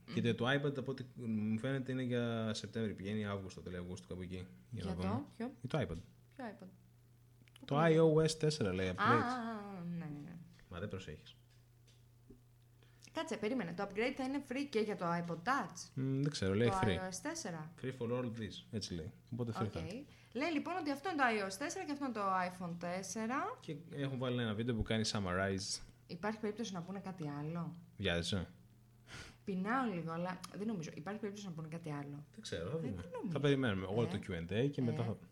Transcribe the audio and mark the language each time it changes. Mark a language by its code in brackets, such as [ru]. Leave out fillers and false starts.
[el] Και το iPad, από ό,τι μου φαίνεται, είναι για Σεπτέμβριο. Πηγαίνει Αύγουστο, τελείο Αύγουστο, κάπου εκεί. Για το? Ποιο? Το iPad. Ποιο iPad? Το iOS 4, λέει, upgrade. Ναι, ναι. Μα δεν προσέχεις. Κάτσε, περίμενε. Το upgrade θα είναι free και για το iPod Touch. Δεν ξέρω, λέει το [en] free. iOS 4. Free for all this, έτσι λέει. Οπότε free okay. [el] Λέει λοιπόν ότι αυτό είναι το iOS 4 και αυτό είναι το iPhone 4. Και έχουν βάλει ένα βίντεο που κάνει summarize. Υπάρχει περίπτωση να πούνε κάτι άλλο? Βιάζεσαι? Πεινάω λίγο, αλλά δεν νομίζω. Υπάρχει περίπτωση να πούνε κάτι άλλο? Δεν ξέρω, θα δούμε. Θα περιμένουμε όλο το Q&A και μετά θα...